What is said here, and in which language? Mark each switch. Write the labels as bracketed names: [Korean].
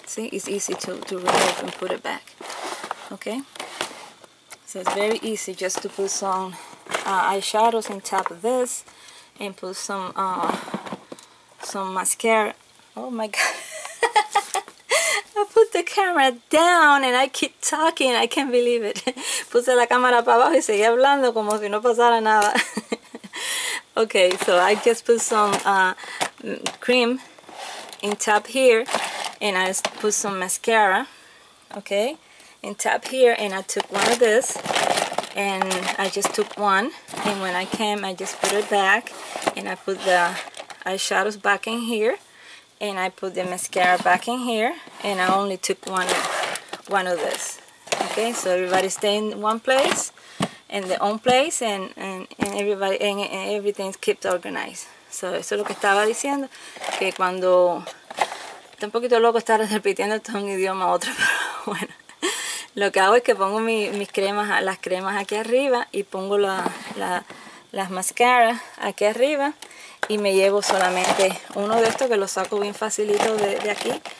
[English] See, it's easy to remove and put it back. Okay, so it's very easy just to put some eyeshadows on top of this and put some mascara. Oh my god. I put the camera down and I keep talking. I can't believe it. [Spanish] Puse la cámara para abajo y seguí hablando como si no pasara nada. [English] Okay, so I just put some cream in top here, and I put some mascara, okay, in top here, and I took one of this, and I just took one, and when I came, I just put it back, and I put the eyeshadows back in here, and I put the mascara back in here, and I only took one of this. Okay, so everybody stay in one place, in their own place, and everybody and everything's kept organized. [Spanish] So eso es lo que estaba diciendo, que cuando está un poquito loco estar repitiendo esto un idioma a otro, pero bueno, lo que hago es que pongo las cremas aquí arriba y pongo las mascaras aquí arriba. Y me llevo solamente uno de estos, que lo saco bien facilito de aquí.